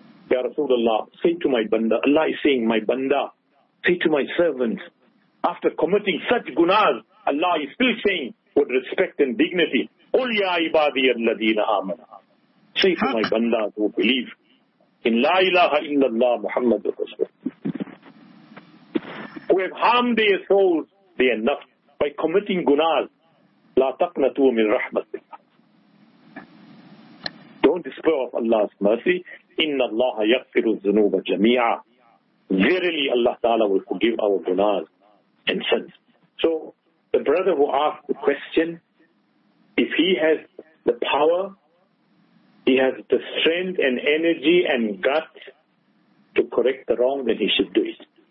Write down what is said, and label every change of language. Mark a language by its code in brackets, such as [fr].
[en] Ya Rasulullah, say to my banda, Allah is saying, my banda, say to my servants, after committing such gunas, Allah is still saying, with respect and dignity, [ar] قُلْ يَا عِبَادِيَ الَّذِينَ آمَنَا. [en] Say to my banda who believe in [ar] لا إله إلا الله محمد رسول. [en] Who have harmed their souls, they are nothing. By committing gunas, [ar] لا تقنطوا من رحمة الله. [en] Don't despair of Allah's mercy. [ar] إن الله يغفر الذنوب جميعا. [en] Verily Allah Ta'ala will forgive our gunas and sins. So the brother who asked the question, if he has the power, he has the strength and energy and guts to correct the wrong, then he should do it.